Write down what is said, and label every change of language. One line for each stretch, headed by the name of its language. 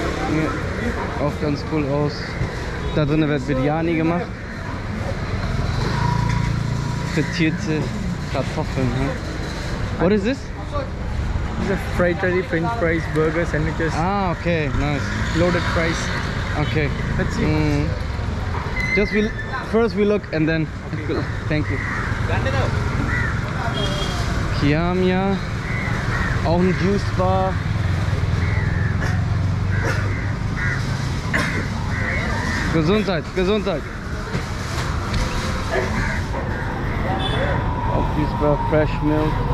German: Hier, auch ganz cool aus. Da drinnen wird Biryani gemacht. Frittierte Kartoffeln.
English: Hm? What is this? This is a fried chili, french fries, burgers, sandwiches. Ah, okay, nice. Loaded fries. Okay. Let's see. Mm. Just we first we look and then okay. Thank you.
German: Kiamia, auch ein Juice Bar. Gesundheit, Gesundheit. Auch Juice Bar, Fresh Milk.